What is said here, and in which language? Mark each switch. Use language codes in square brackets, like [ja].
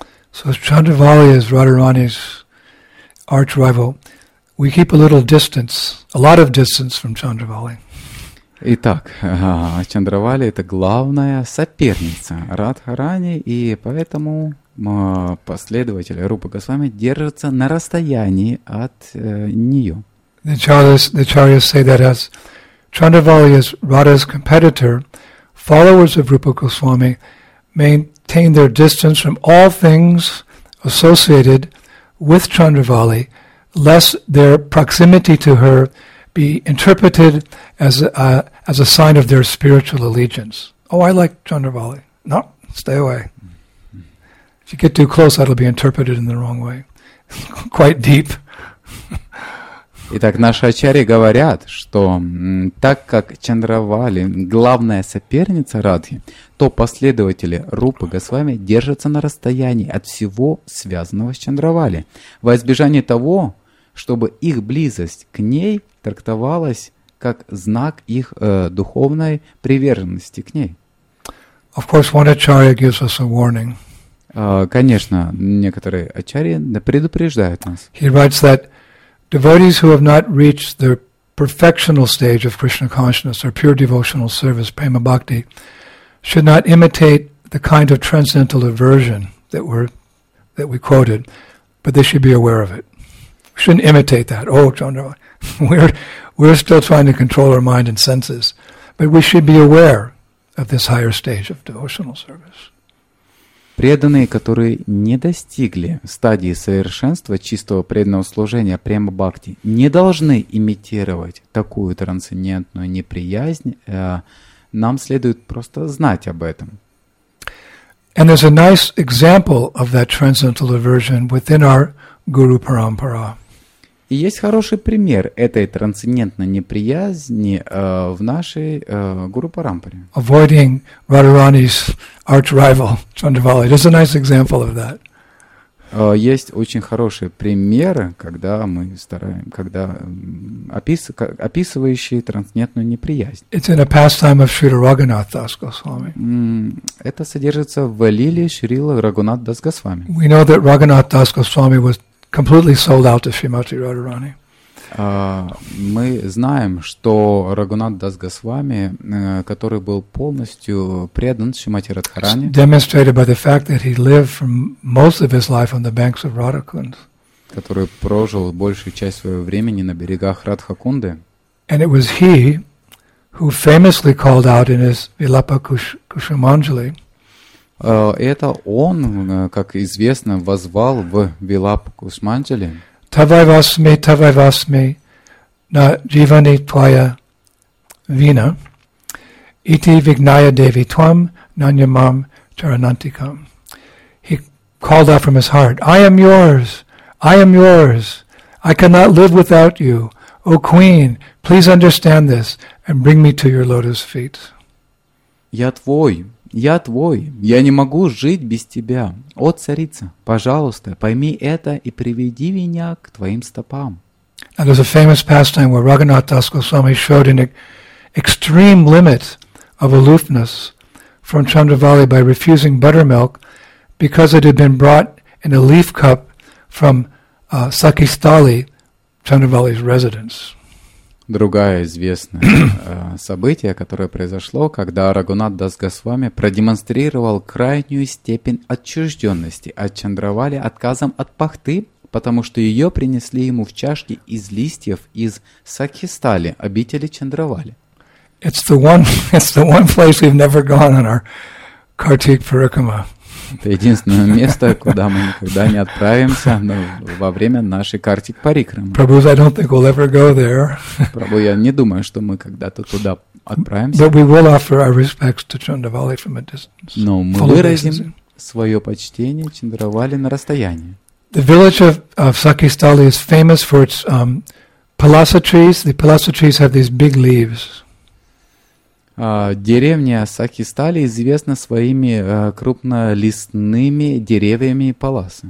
[en] So Chandravali is Radharani's arch rival, we keep a little distance, a lot of distance from Chandravali. [ru] Итак, Чандравали — это главная соперница Радхарани, и поэтому последователи Рупы Госвами держатся на расстоянии от нее. [en] The Acharyas say that as Chandravali is Radha's competitor, followers of Rupa Goswami maintain their distance from all things associated with Chandravali, lest their proximity to her be interpreted as a sign of their spiritual allegiance. Oh, I like Chandravali. No, stay away. If you get too close, that'll be interpreted in the wrong way. Quite deep. [ru] Итак, наши ачарьи говорят, что так как Чандравали главная соперница Радхи, то последователи Рупы Госвами держатся на расстоянии от всего связанного с Чандравали, во избежание того, чтобы их близость к ней трактовалась как знак их духовной приверженности к ней. [en] Of course, one acharya gives us a warning. [ru] Конечно, некоторые ачарьи предупреждают нас. [en] He writes that devotees who have not reached the perfectional stage of Krishna consciousness or pure devotional service, prema bhakti, should not imitate the kind of transcendental aversion that we quoted, but they should be aware of it. We shouldn't imitate that. Oh, Chandravali, we're still trying to control our mind and senses, but we should be aware of this higher stage of devotional service. [ru] Преданные, которые не достигли стадии совершенства чистого преданного служения према бхакти, не должны имитировать такую трансцендентную неприязнь. Нам следует просто знать об этом. [en] And there's a nice example of that transcendental aversion within our guru parampara. [ru] И есть хороший пример этой трансцендентной неприязни в нашей гуру парампаре. [en] Avoiding Radharani's arch rival Chandravali. It is a nice example of that. [ru] Есть очень хорошие примеры, когда мы стараемся, когда описывающие трансцендентную неприязнь. [en] It's in a pastime of Śrīla Raghunath Das Goswami. [ru] Это содержится в лиле Шрила Рагунат Дас Госвами. [en] We know that Raghunath Das Goswami was completely sold out to Śrīmatī Radharani. [ru] Мы знаем, что Рагунат Дас Госвами, который был полностью предан Шримати Радхарани, [en] demonstrated by the fact that he lived for most of his life on the banks of Radhakund. [ru] Который прожил большую часть своего времени на берегах Радхакунды. [en] And it was he who famously called out in his Vilapa Kushamanjali. [ru] Это он, как известно, воззвал в Вилап Кусманджали. [sa] Тавай васми, на дживани твоя вина, ити вигная деви твам, наньямам чаранантикам. [en] He called out from his heart, I am yours, I am yours, I cannot live without you. O queen, please understand this and bring me to your lotus feet. [ru] Я твой. Я твой, я не могу жить без тебя. О, царица, пожалуйста, пойми это и приведи меня к твоим стопам. [en] And there's a famous pastime where Raghunath Das Goswami showed an extreme limit of aloofness from Chandravali by refusing buttermilk because it had been brought in a leaf cup from Sakhistali, Chandravali's residence. [ru] Другое известное событие, которое произошло, когда Рагунат Дас Госвами продемонстрировал крайнюю степень отчужденности от Чандравали отказом от пахты, потому что ее принесли ему в чашке из листьев из Сакхистали, обители Чандравали. [en] It's the one place we've never gone on our Kartik Parikrama. [ru] Это единственное место, куда мы никогда не отправимся во время нашей Картик Парикрамы. [en] Prabhu, I don't think we'll ever go there. [ru] Prabhu, я не думаю, что мы когда-то туда отправимся. [en] But we will offer our respects to Chandravali from a distance. [ru] Но мы выразим свое почтение Чандравали на расстоянии. [en] The village of Sakhistali is famous for its palasa trees. The palasa trees have these big leaves. [ru] Деревня Сакхистали известна своими крупнолистными деревьями паласа.